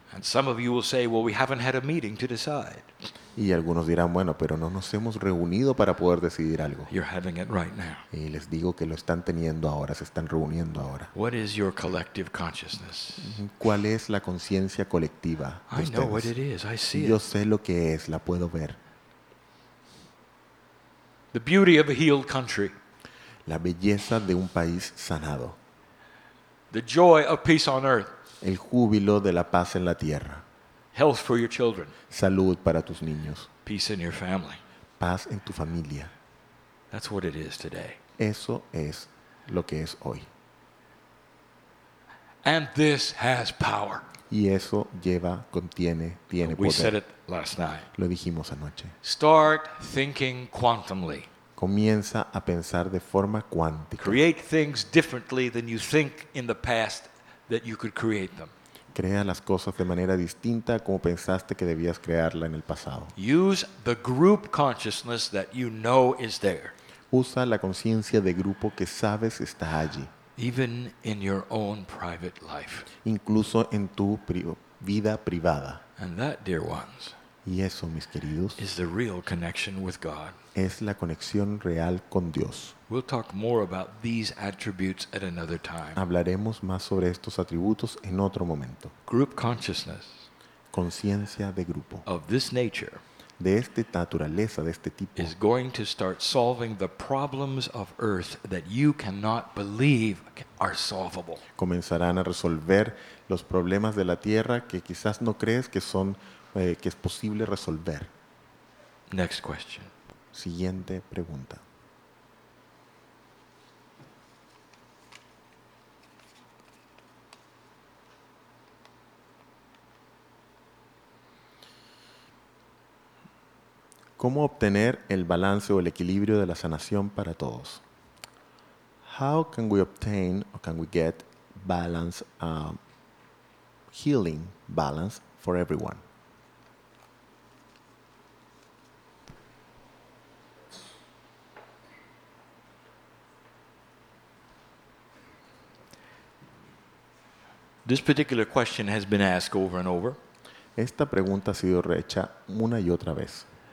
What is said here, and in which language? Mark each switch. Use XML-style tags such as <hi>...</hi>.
<en>And some of you will say, well, we haven't had a meeting to decide.</en> <es>Y algunos dirán, bueno, pero no nos hemos reunido para poder decidir algo.</es> <en>You're having it right now.</en> <es>Y les digo que lo están teniendo ahora, se están reuniendo ahora.</es> <en>What is your collective consciousness?</en> <es>¿Cuál es la conciencia colectiva de ustedes?</es> <en>I know what it is. I see it.</en> <es>Yo sé lo que es, la puedo ver.</es> <en>The beauty of a healed country.</en> <es>La belleza de un país sanado.</es> <en>The joy of peace on earth.</en> <es>El júbilo de la paz en la tierra.</es> <en>Health for your children.</en> <es>Salud para tus niños.</es> <en>Peace in your family.</en> <es>Paz en tu familia.</es> <en>That's what it is today.</en> <es>Eso es lo que es hoy.</es> <en>And this has power.</en> <es>Y eso lleva, contiene, tiene poder.</es> <en>We said it last night.</en> <es>Lo dijimos anoche.</es> <en>Start thinking quantumly.</en> <es>Comienza a pensar de forma cuántica.</es> <en>Create things differently than you think in the past. That you could create them.</en> <es>Crea las cosas de manera distinta como pensaste que debías crearla en el pasado.</es> <en>Use the group consciousness that you know is there.</en> <es>Usa la conciencia de grupo que sabes está allí.</es> <en>Even in your own private life.</en> <es>Incluso en tu vida privada.</es> <en>And that, dear ones,</en> <es>y eso, mis queridos,</es> <en>is the real connection with God.</en> <es>Es la conexión real con Dios.</es> <en>We'll talk more about these attributes at another time.</en> <es>Hablaremos más sobre estos atributos en otro momento.</es> <en>Group consciousness.</en> <es>Conciencia de grupo.</es> <en>Of this nature.</en> <es>De esta naturaleza, de este tipo.</es> <en>Is going to start solving the problems of earth that you cannot believe are solvable.</en> <es>Comenzarán a resolver los problemas de la tierra que quizás no crees que son que es posible resolver.</es> <en>Next question.</en> <es>Siguiente pregunta. ¿Cómo obtener el balance o el equilibrio de la sanación para todos?</es> <en>How can we obtain or can we get balance, healing balance for everyone? This particular question has been asked over and over.</en> <es>Esta pregunta ha sido rehecha una y otra vez.</es>